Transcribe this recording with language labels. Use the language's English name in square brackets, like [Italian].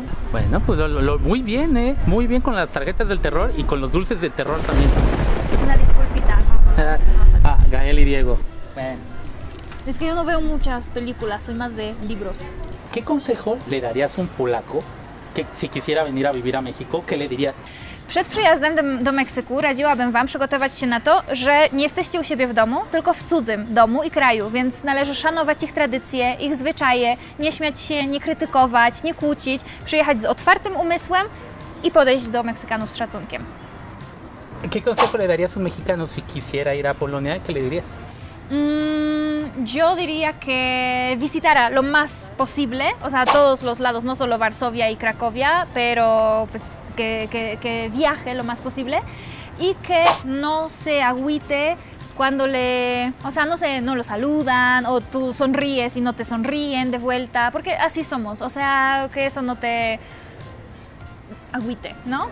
[Spanish] Bueno, pues lo muy bien, ¿eh? Muy bien con las tarjetas del terror y con los dulces de terror también. Una disculpita. Gael y Diego. Bueno. Es que yo no veo muchas películas, soy más de libros. ¿Qué consejo le darías a un polaco que si quisiera venir a vivir a México, qué le dirías? [Polish] Przed przyjazdem do Meksyku radziłabym wam przygotować się na to, że nie jesteście u siebie w domu, tylko w cudzym domu i kraju, więc należy szanować ich tradycje, ich zwyczaje, nie śmiać się, nie krytykować, nie kłócić, przyjechać z otwartym umysłem i podejść do Meksykanów z szacunkiem. [Spanish] ¿Qué consejo le darías a un mexicano si quisiera ir a Polonia? ¿Qué le dirías? Yo diría que visitara lo más posible, o sea, todos los lados, no solo Varsovia y Cracovia, pero pues que viaje lo más posible y que no se agüite cuando no lo saludan o tú sonríes y no te sonríen de vuelta, porque así somos, o sea, que eso no te agüite, ¿no?